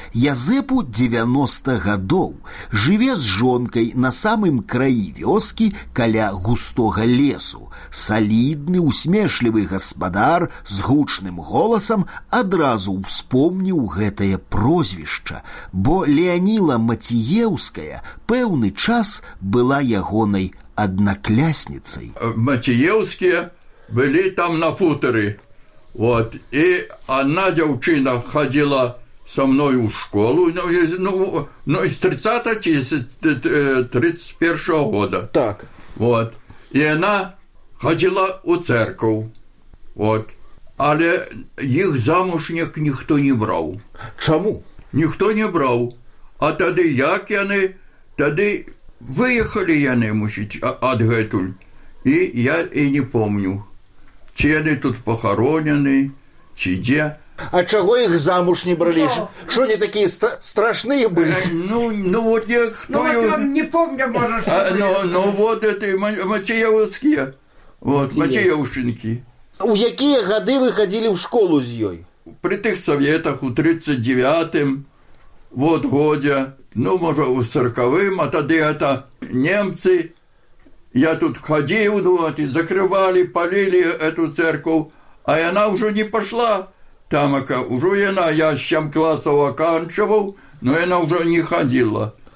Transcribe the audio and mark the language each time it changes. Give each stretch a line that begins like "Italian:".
Belarusian: Язэпу 90 гадоў, жыве з жонкай на самым краі вёскі каля густога лесу. Салідны, усмешлівы гаспадар з гучным голасам адразу успомніў гэтае прозвішча, бо Леаніла Мацеўская пэўны час была ягонай однокласницей.
Russian: Мацеевские были там на футере. Вот. И одна девчина ходила со мной в школу. Ну, из 30-го, из 31-го года. Так. Вот. И она ходила у церковь. Вот. Але их замуж никто не брал.
Belarusian: Чому?
Russian: Никто не брал.
Belarusian: А тогда як яны, тогда выехали яны, мусіць, адгэтуль, і я не помню, ці яны тут пахаронены, ці дзе. А чаго іх замуж не бралі? Што не такія страшныя былі? Ну вот я хто... Ну вот я не помню, можа, што былі. Ну вот гэты мацеўскія, вот, мацеўшчынкі. У якія гады вы хадзілі ў школу з ёй? Пры тых саветах, у 39-м, вот годзе. Ну, можа, у 40-м, а тады гэта немцы. Я тут хадзіў, ну, а ты закрывалі, палілі эту церкву, а яна ўжо не пашла там, ака, ўжо яна, я з 7 класаў аканчаваў, но яна ўжо не хадзіла.